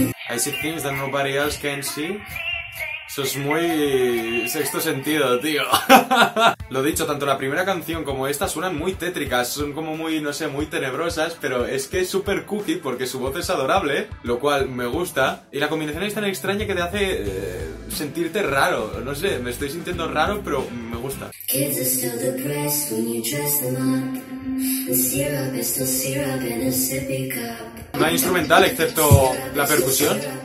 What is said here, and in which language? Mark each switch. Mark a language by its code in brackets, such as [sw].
[en] I see things that nobody else can see. [es] Eso es muy sexto sentido, tío. Lo dicho, tanto la primera canción como esta suenan muy tétricas, son como muy, no sé, muy tenebrosas, pero es que es súper cookie porque su voz es adorable, lo cual me gusta, y la combinación es tan extraña que te hace sentirte raro. No sé, me estoy sintiendo raro, pero me gusta. [en] Kids are still depressed when you dress them up. The syrup is still syrup in a sippy cup. [es] No hay instrumental excepto la percusión.